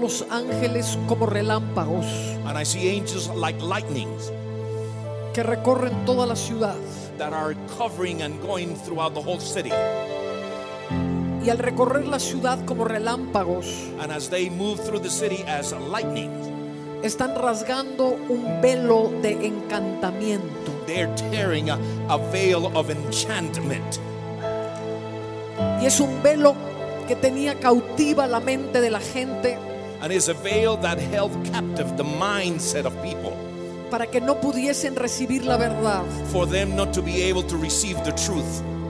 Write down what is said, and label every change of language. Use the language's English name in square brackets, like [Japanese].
[Spanish] Ángeles como relámpagos. [English] And I see angels like lightnings. [Spanish] Que recorren toda la ciudad. [English] That are covering and going throughout the whole city. [Spanish] Y al recorrer la ciudad como relámpagos. [English] And as they move through the city as lightning. [Spanish] Están rasgando un velo de encantamiento. [English] They're tearing a veil of enchantment. [Spanish] Y es un velo que tenía cautiva la mente de la gente. [English] And is a veil that held captive the mindset of people. [Spanish] Para que no pudiesen recibir la verdad. [English] For them not to be able to receive the truth.